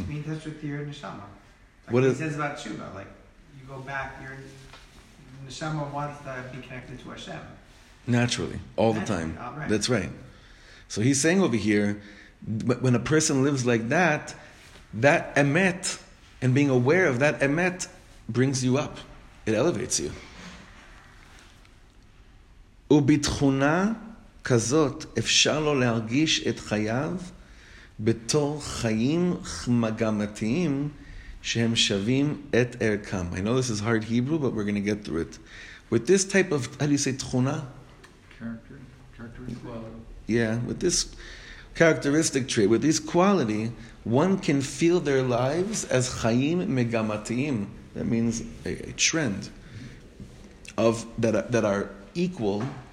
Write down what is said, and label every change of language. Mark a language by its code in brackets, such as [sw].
[en] It means that's with your neshama. Like what he says about tshuva, like you go back, your neshama wants to be connected to Hashem. Naturally, all the time. Right. That's right. So he's saying over here, when a person lives like that, that emet, and being aware of that emet, brings you up. It elevates you. [he] ובתכונה כזאת אפשר לו להרגיש את חייו בתור חיים מגמתיים שהם שווים את ערכם. [en] I know this is hard Hebrew, but we're going to get through it. With this type of, how do you say, תכונה? Character. Yeah, with this characteristic trait, with this quality, one can feel their lives as [he] חיים מגמתיים. [en] That means a trend of that are equal.